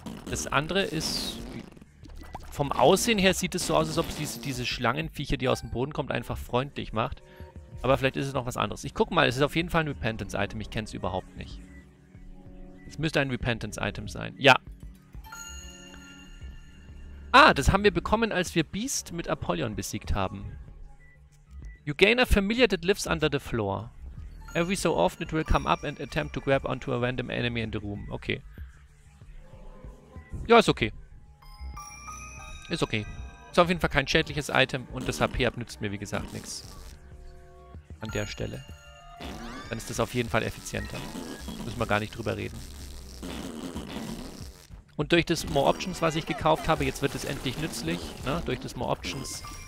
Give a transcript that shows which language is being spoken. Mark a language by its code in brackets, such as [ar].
[de] Das andere ist... Vom Aussehen her sieht es so aus, als ob diese Schlangenviecher, die aus dem Boden kommt, einfach freundlich macht. Aber vielleicht ist es noch was anderes. Ich guck mal, es ist auf jeden Fall ein Repentance-Item. Ich kenne es überhaupt nicht. Es müsste ein Repentance-Item sein. Ja. Ah, das haben wir bekommen, als wir Beast mit Apollyon besiegt haben. [en] You gain a familiar that lives under the floor. Every so often it will come up and attempt to grab onto a random enemy in the room. [de] Okay. Ja, ist okay. Ist okay. Ist auf jeden Fall kein schädliches Item und das HP abnützt mir, wie gesagt, nichts. An der Stelle. Dann ist das auf jeden Fall effizienter. Müssen wir gar nicht drüber reden. Und durch das More Options, was ich gekauft habe, jetzt wird es endlich nützlich, ne? Durch das More Options.